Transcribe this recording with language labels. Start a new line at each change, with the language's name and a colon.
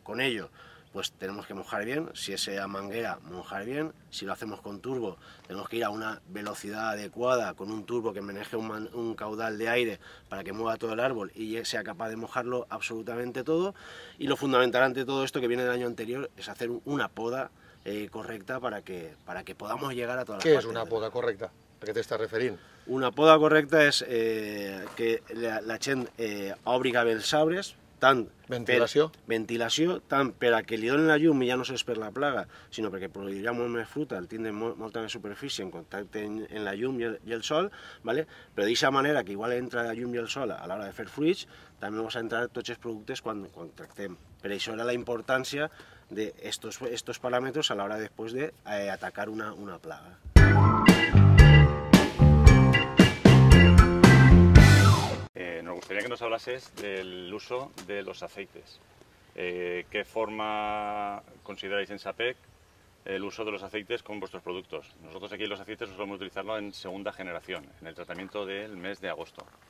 Spanish: Con ello, pues tenemos que mojar bien, si es a manguera, mojar bien, si lo hacemos con turbo, tenemos que ir a una velocidad adecuada con un turbo que maneje un caudal de aire para que mueva todo el árbol y sea capaz de mojarlo absolutamente todo. Y lo fundamental ante todo esto que viene del año anterior es hacer una poda correcta para que podamos llegar a todas las partes. ¿Qué es una poda correcta? ¿A qué te estás referint?
Catalan: Una poda correcta es que la gent obriga bé els sabres, tant ventilació, tant per a que li donin la llum i ja no és per la plaga, sinó perquè produirà molt més fruta, el tindrà molta més superfície en contacte amb la llum i el sol, però d'aquesta manera que potser entra la llum i el sol a l'hora de fer fruits, també
Spanish: vamos a entrar
Catalan: tots els productes quan tractem. Per això era la importància d'aquests paràmetres a l'hora després d'atacar una plaga.
Spanish: Nos gustaría que nos hablases del uso de los aceites. ¿Qué forma consideráis en SAPEC el uso de los aceites con vuestros productos? Nosotros aquí los aceites solemos utilizarlo en segunda generación, en el tratamiento del mes de agosto.